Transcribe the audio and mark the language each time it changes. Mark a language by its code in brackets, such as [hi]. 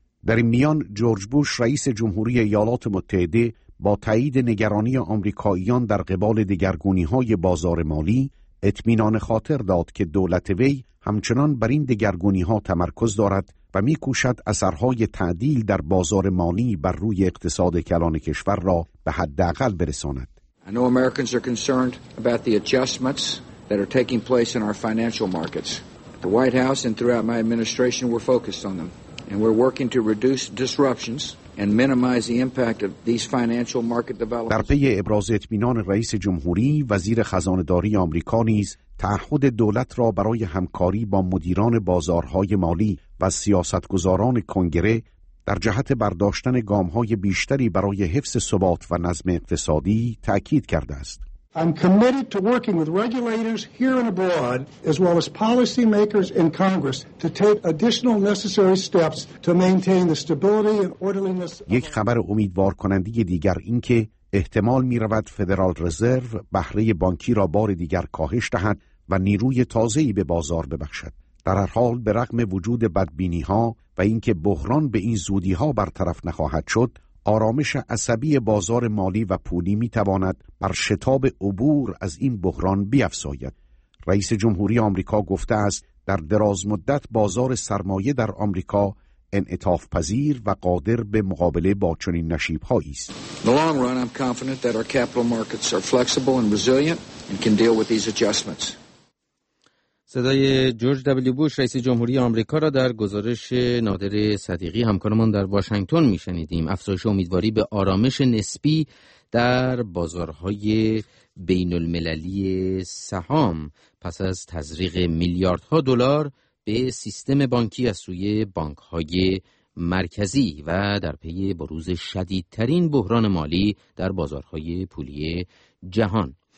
[fa] در این میان جورج بوش، رئیس جمهوری ایالات متحده، با تایید نگرانی آمریکاییان در قبال دگرگونی‌های بازار مالی، اطمینان خاطر داد که دولت وی همچنان بر این دگرگونی‌ها تمرکز دارد و می‌کوشد اثرهای تعدیل در بازار مالی بر روی اقتصاد کلان کشور را به حداقل برساند. [en] That are taking place in our financial markets. The White House and throughout my administration we're focused on them and we're working to reduce disruptions and minimize the impact of these financial market developments. [fa] در پی ابراز اطمینان رئیس جمهوری، وزیر خزانه‌داری آمریکا نیز تعهد دولت را برای همکاری با مدیران بازارهای مالی و سیاستگزاران کنگره در جهت برداشتن گام‌های بیشتری برای حفظ ثبات و نظم اقتصادی تأکید کرده است. [en] I'm committed to working with regulators here and abroad, as well as policymakers in Congress, to take additional necessary steps to maintain the stability and orderliness. [fa] یک خبر امیدوارکننده دیگر اینکه احتمال می‌رود فدرال رزرو بهره بانکی را بار دیگر کاهش دهد و نیروی تازه‌ای به بازار ببخشد. در هر حال به رغم وجود بدبینی‌ها و اینکه بحران به این زودی‌ها برطرف نخواهد شد، آرامش عصبی بازار مالی و پولی میتواند بر شتاب عبور از این بحران بیفزاید. رئیس جمهوری آمریکا گفته است در دراز مدت بازار سرمایه در آمریکا انعطاف پذیر و قادر به مقابله با چنین نشیب‌هایی است. [en] The long run, I'm confident that our capital markets are flexible and resilient and can deal with these adjustments. [fa] صدای جورج دبلیو بوش رئیس جمهوری آمریکا را در گزارش نادر صدیقی همکارمان در واشنگتن می‌شنیدیم. افزایش امیدواری به آرامش نسبی در بازارهای بین المللی سهام پس از تزریق میلیاردها دلار به سیستم بانکی از سوی بانک‌های مرکزی و در پی بروز شدیدترین بحران مالی در بازارهای پولی جهان.